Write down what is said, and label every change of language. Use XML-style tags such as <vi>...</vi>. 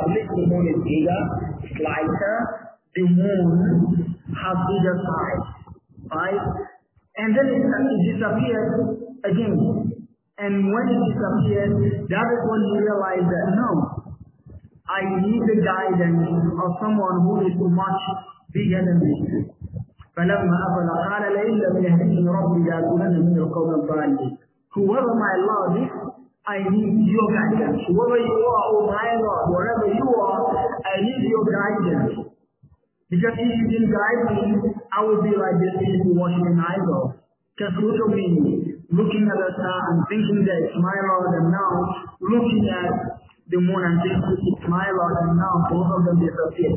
<en>At least the moon is bigger, it's lighter, the moon has bigger size, right? And then it disappears again. And when it disappears, that is when you realize that, no, I need the guidance of someone who is much bigger than me.</en> <ar>فلما أفل قال لئن لم يهدني ربي لأكونن من القوم الضالين.</ar> <en>Whoever my Lord is, I need your guidance. Whoever you are, oh my Lord, wherever you are, I need your guidance. Because if you didn't guide me, I would be like this people watching an idol. Just look at me, looking at the star and thinking that it's my Lord, and now looking at the moon and thinking it's my Lord, and now both of them disappear.</en>